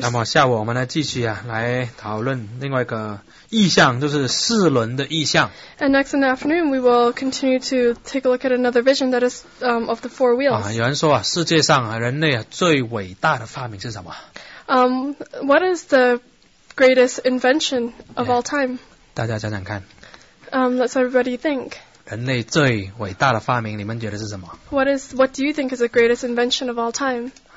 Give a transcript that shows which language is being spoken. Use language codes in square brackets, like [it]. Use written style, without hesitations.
[zh] 那么下午我们来继续啊来讨论另外一个意象，就是四轮的意象。 [en] And next in the afternoon, we will continue to take a look at another vision that is, of the four wheels. [zh] 有人说啊世界上啊人类啊最伟大的发明是什么？ [en] What is the greatest invention of all time? [zh] 大家想想看。 [en] Let's everybody think. [zh] 人类最伟大的发明，你们觉得是什么？ [en] What do you think is the greatest invention of all time?